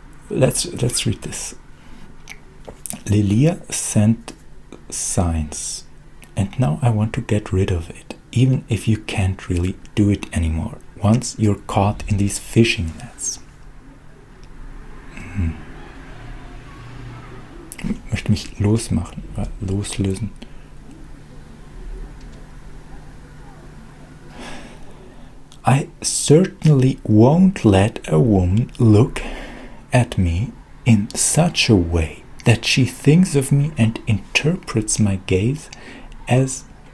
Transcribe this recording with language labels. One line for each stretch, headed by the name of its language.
English: Let's read this. Lilia sent signs, and now I want to get rid of it, even if you can't really do it anymore, once you're caught in these fishing nets.
German: Möchte mich losmachen, loslösen.
English: I certainly won't let a woman look at me in such a way that she thinks of me and interprets my gaze as...